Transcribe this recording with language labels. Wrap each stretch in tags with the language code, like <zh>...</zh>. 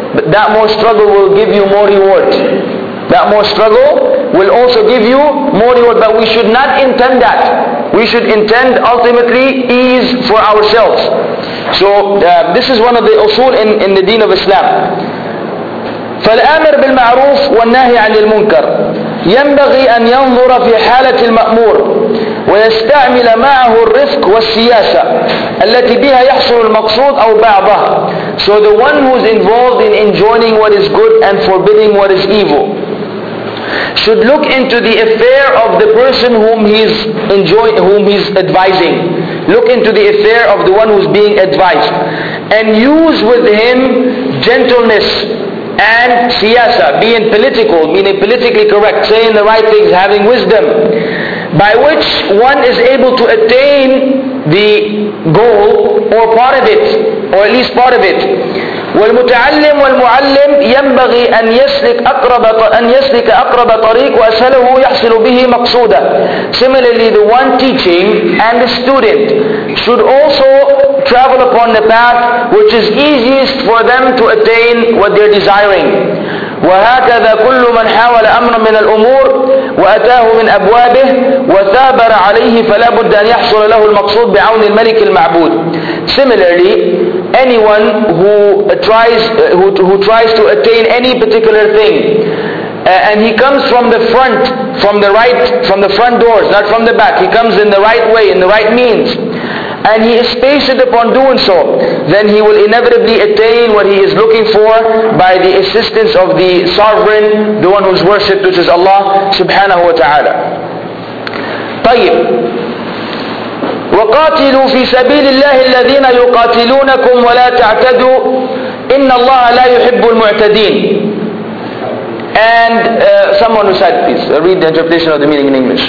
<en>That more struggle will give you more reward. That more struggle will also give you more reward, but we should not intend that. We should intend ultimately ease for ourselves. So this is one of the usul in the deen of Islam.</en> <ar>فالآمر بالمعروف والنهي عن المنكر ينبغي أن ينظر في حالة المأمور ويستعمل معه الرفق والسياسة التي بها يحصل المقصود أو بعضها.</ar> <en>So the one who is involved in enjoining what is good and forbidding what is evil should look into the affair of the person whom he's advising. Look into the affair of the one who's being advised and use with him gentleness and siyasa, being political, meaning politically correct, saying the right things, having wisdom, by which one is able to attain the goal or part of it, or at least part of it.</en> <ar>والمتعلم والمعلم ينبغي أن يسلك أقرب طريق وأسهله يحصل به مقصودا.</ar> <en>Similarly, the one teaching and the student should also travel upon the path which is easiest for them to attain what they're desiring.</en> <ar>وهكذا كل من حاول أمر من الأمور وأتاه من أبوابه وثابر عليه فلا بد أن يحصل له المقصود بعون الملك المعبود.</ar> <en>Similarly, anyone who tries to attain any particular thing, and he comes from the front, from the right, from the front doors, not from the back, he comes in the right way, in the right means, and he is patient upon doing so, then he will inevitably attain what he is looking for by the assistance of the sovereign, the one who is worshipped, which is Allah subhanahu wa ta'ala.</en> <ar>طيب. وقاتلوا في سبيل الله الذين يقاتلونكم ولا تعتدوا إن الله لا يحب المعتدين.</ar> <en>And someone who said this, read the interpretation of the meaning in English.</en>